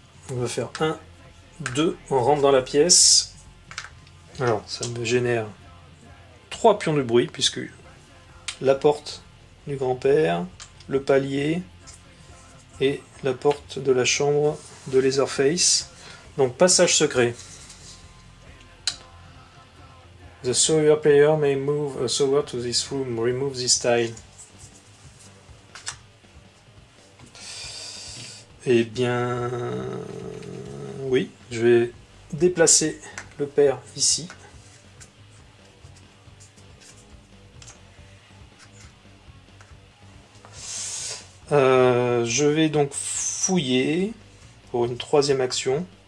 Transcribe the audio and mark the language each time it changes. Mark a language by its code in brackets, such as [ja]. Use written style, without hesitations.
[fr] On va faire 1, 2, on rentre dans la pièce. Alors, ça me génère 3 pions de bruit, puisque la porte du grand-père, le palier et la porte de la chambre de Leatherface. Donc, passage secret. [en] The sawyer player may move a sawyer to this room, remove this tile. [fr] Eh bien, oui, je vais déplacer le père ici. Je vais donc fouiller pour une troisième action.